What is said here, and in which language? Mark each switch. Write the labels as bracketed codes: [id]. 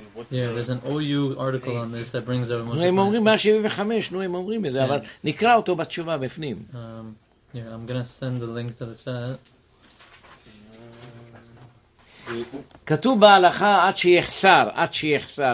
[en] Yeah, there's an OU article on this that brings over. [he] No, הם אומרים 175, no, הם אומרים את זה, אבל נקרא אותו בתשובה בפנים. [en] Yeah, I'm going to send the link to the chat. [he] כתוב בהלכה עד שיחסר, עד שיחסר.